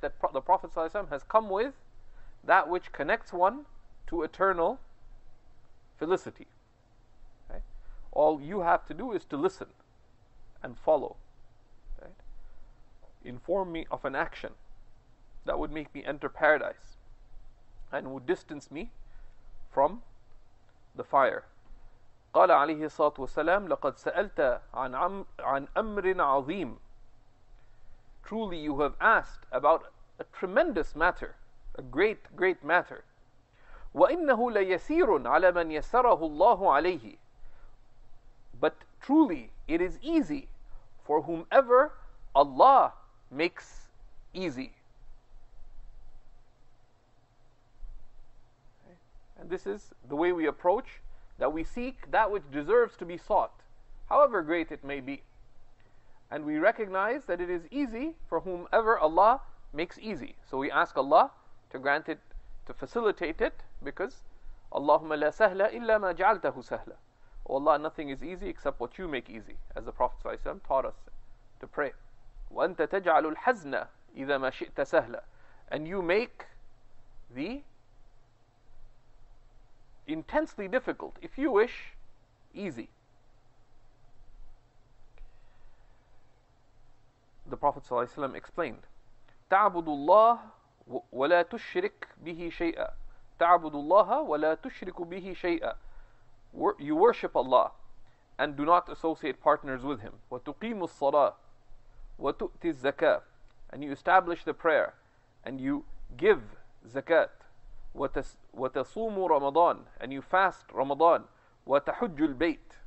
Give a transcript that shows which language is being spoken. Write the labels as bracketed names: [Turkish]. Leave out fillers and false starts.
[English] That the Prophet ﷺ has come with that which connects one to eternal felicity. Right? All you have to do is to listen and follow. Inform me of an action that would make me enter paradise and would distance me from the fire. [Arabic] قال عليه الصلاة والسلام لقد سألت عن أمر عظيم. [English] Truly you have asked about a tremendous matter, a great, great matter. [Arabic] وَإِنَّهُ لَيَسِيرٌ عَلَى مَنْ يَسَّرَهُ اللَّهُ عَلَيْهِ. [English] But truly it is easy for whomever Allah makes easy. And this is the way we approach, that we seek that which deserves to be sought, however great it may be. And we recognize that it is easy for whomever Allah makes easy. So we ask Allah to grant it, to facilitate it, because [Arabic] Allahumma la sahla illa ma ja'altahu sahla. [English] O Allah, nothing is easy except what you make easy, as the Prophet ﷺ taught us to pray. [Arabic] وَأَنْتَ تَجْعَلُ الْحَزْنَ إِذَا مَا شِئْتَ سَهْلًا. [English] And you make the intensely difficult, if you wish, easy. The Prophet ﷺ explained, [Arabic] تَعْبُدُ اللَّهَ وَلَا تُشْرِكْ بِهِ شَيْئًا. تَعْبُدُ اللَّهَ وَلَا تُشْرِكُ بِهِ شَيْئًا. [English] You worship Allah and do not associate partners with Him. [Arabic] وَتُقِيمُ الصَّلَاةِ وَتُؤْتِ الزَّكَاةِ. [English] And you establish the prayer and you give zakat. [Arabic] وَتَصُومُ رَمَضَانَ. [English] And you fast Ramadan. [Arabic] وَتَحُجُّ الْبَيْتِ.